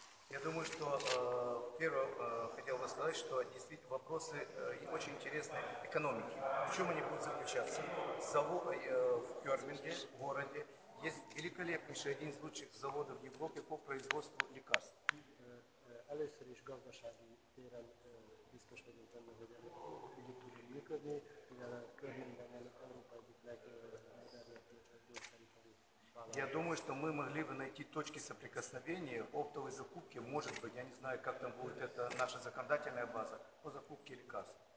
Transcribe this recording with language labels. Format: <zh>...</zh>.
<ru>Я думаю, что хотел бы сказать, что действительно вопросы очень интересны экономики. В чем они будут заключаться? В Кёрминге, в городе, есть великолепнейший один из лучших заводов в Европе по производству лекарств.</ru> <hu>Először is gazdasági téren biztos vagyunk benne, hogy így tudjuk működni, mivel Kölnben Európa egyik legmodernebb gyógyszeripari</hu> <ru>Я думаю, что мы могли бы найти точки соприкосновения оптовой закупки, может быть, я не знаю, как там будет это наша законодательная база по закупке лекарств.</ru>